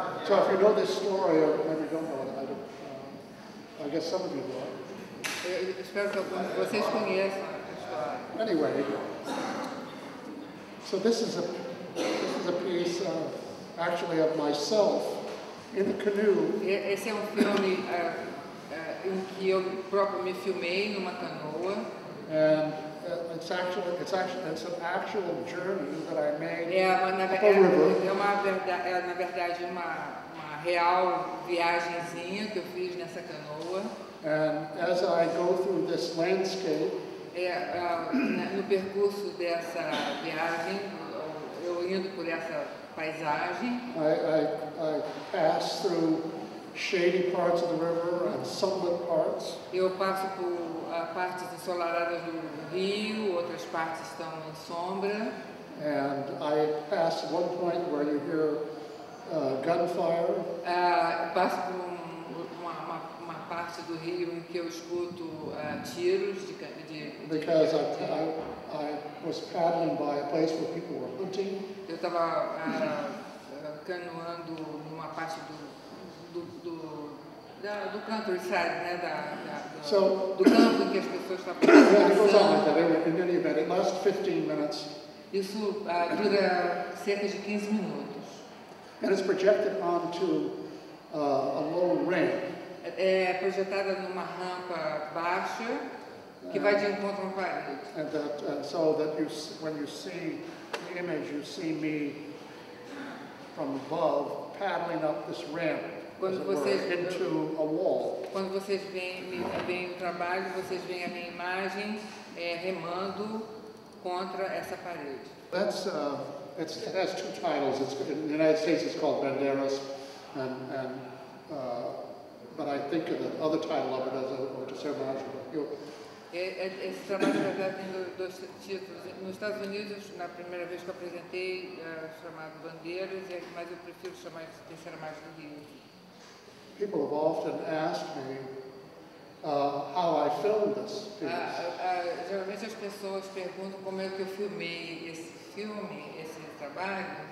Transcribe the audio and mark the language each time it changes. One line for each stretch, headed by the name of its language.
English: So if you know this story, or maybe you don't know it, I guess some of you know.
Portuguese: Espero que vocês conheçam.
English: Anyway. So this is a piece of myself in the canoe.
Portuguese: Esse é um filme em que eu próprio me filmei numa canoa.
English: And it's an actual journey that I made up a river.
Portuguese: Na verdade, uma real viagemzinha que eu fiz nessa canoa.
English: And as I go through this landscape,
Portuguese: no percurso dessa viagem, eu indo por essa paisagem.
English: I pass through shady parts of the river and sunlit parts.
Portuguese: Eu passo por partes ensolaradas do rio, outras partes estão em sombra.
English: And I pass one point where you hear gunfire.
Portuguese: Passo por uma parte do rio em que eu escuto tiros de
English: Because I was paddling by a place where people were hunting.
Portuguese: Eu estava canoando numa parte do countryside, né? Do campo em que as pessoas estavam
English: passando. It lasts 15 minutes.
Portuguese: Isso dura cerca de 15 minutos.
English: And it's projected onto a low ramp.
Portuguese: é projetada numa rampa baixa que vai de encontro com a parede.
English: And that, so that you, when you see the image, you see me from above paddling up this ramp.
Portuguese: Quando vocês,
English: into a wall.
Portuguese: Quando vocês veem o trabalho, vocês veem a minha imagem remando contra essa parede.
English: That's it has two titles. It's in the United States it's called Banderas, but I think of the other title of it as a homenagem.
Portuguese: Esse trabalho já tem dois títulos. Nos Estados Unidos, na primeira vez que eu apresentei, chamado Bandeiras, mas eu prefiro chamar de terceira imagem do Rio.
English: People have often asked me how I filmed this.
Portuguese: Geralmente as pessoas perguntam como é que eu filmei esse filme, esse trabalho.